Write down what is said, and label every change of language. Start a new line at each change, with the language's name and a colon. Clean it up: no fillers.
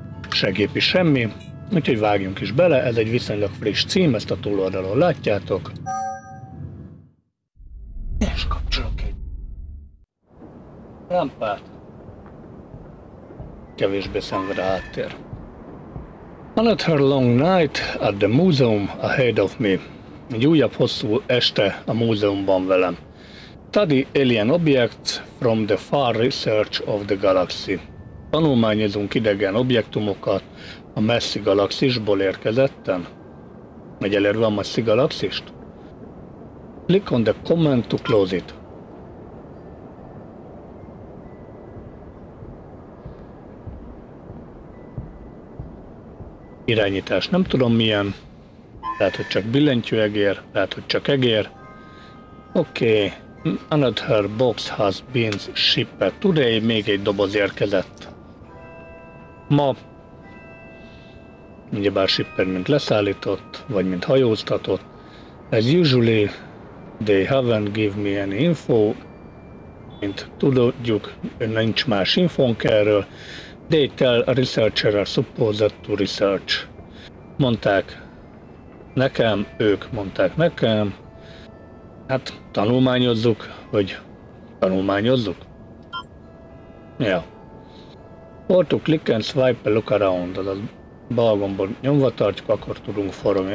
Hungarian: Segép is semmi, úgyhogy vágjunk is bele, ez egy viszonylag friss cím, ezt a túloldalon látjátok. És kapcsolok egy lámpát. Kevésbé szenved a háttér.
English: Another long night at the museum ahead of me.
Hungarian: Egy újabb hosszú este a múzeumban velem.
English: Study alien objects from the far research of the galaxy.
Hungarian: Tanulmányozunk idegen objektumokat a messzi galaxisból érkezetten. Egyelőre van messzi galaxist?
English: Click on the comment to close it.
Hungarian: Irányítás nem tudom milyen. Lehet, hogy csak billentyűegér, lehet, hogy csak egér. Oké. Okay.
English: Another box has been shipped today.
Hungarian: Még egy doboz érkezett. Ma, ugyebár shipper, mint leszállított, vagy mint hajóztatott.
English: As usually, they haven't give me any info,
Hungarian: mint tudjuk, nincs más infónk erről.
English: They tell a researcher are supposed to research.
Hungarian: Mondták nekem, ők mondták nekem. Hát, tanulmányozzuk, hogy tanulmányozzuk.
English: Ja. Yeah. Or to click and swipe a look around,
Hungarian: az a bal gombot nyomva tartjuk, akkor tudunk forogni.